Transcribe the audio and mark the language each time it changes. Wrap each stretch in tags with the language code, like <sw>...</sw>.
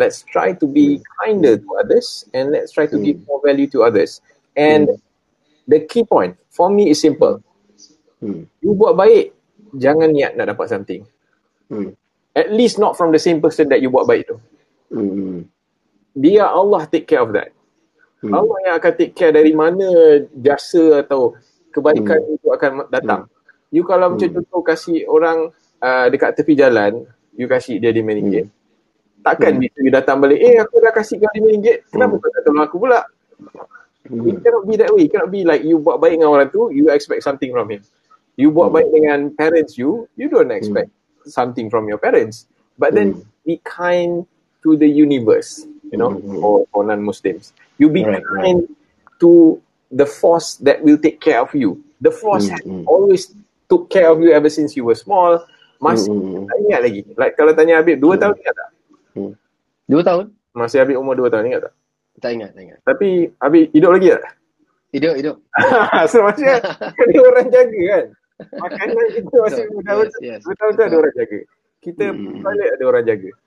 <en>Let's try to be kinder to others and let's try to give more value to others. And the key point for me is simple. You</en> <ms>buat baik, jangan niat nak dapat</ms> <en>something. At least not from the same person that you</en> <ms>buat baik tu. Biar</ms> <en>Allah take care of that.</en> <ms>Allah yang akan</ms> <en>take care</en> <ms>dari mana jasa atau kebaikan itu akan datang. You kalau macam contoh kasih orang dekat tepi jalan, you kasih dia RM5. Takkan bila you datang balik, aku dah kasih kau RM5, kenapa kau tak tolong aku pula?</ms> <en>It cannot be that way. It cannot be like you</en> <ms>buat baik dengan orang tu,</ms> <en>you expect something from him. You</en> <ms>buat baik dengan</ms> <en>parents you, you don't expect something from your parents. But then be kind to the universe, you know, for non-Muslims. You be kind to the force that will take care of you. The force has always took care of you ever since you were small.</en> <ms>Masih tak ingat lagi. Like kalau tanya Habib, 2 tahun ingat tak? 2 tahun? Masih Habib umur 2 tahun ingat tak? Tak ingat, tak ingat. Tapi Abi hidup lagi tak? Hidup, hidup. So maksudnya ada orang jaga kan? Makanan kita masih betul-betul ada orang jaga. Kita balik ada orang jaga.</ms>